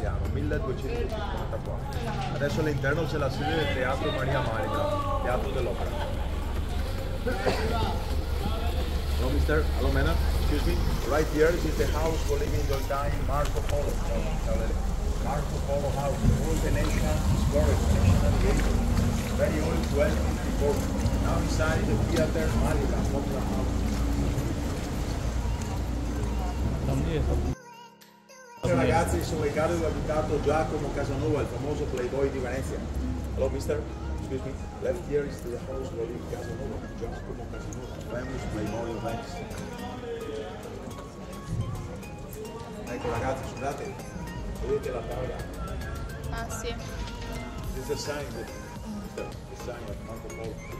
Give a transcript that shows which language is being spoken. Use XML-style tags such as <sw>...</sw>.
<it>All'interno c'è la sede del teatro Maria Marica, teatro dell'opera.</it> <en>Hello mister, hello man, excuse me. Right here is the house we live in the time, Marco Polo. Marco Polo house, old Venetian historic, national gate. Very old, 1254. Now inside the theater Marica, popular house.</en> <it>Ragazzi, sono il caro abitato Giacomo Casanova, il famoso playboy di Venezia.</it> <en>Hello mister, excuse me, left here is the house where you Casanova, Giacomo Casanova, famous playboy of Venice.</en> <it>Ecco ragazzi, scusate, vedete la tavola? Ah sì.</it> <en>This is a sign, the sign of Marco Polo.</en>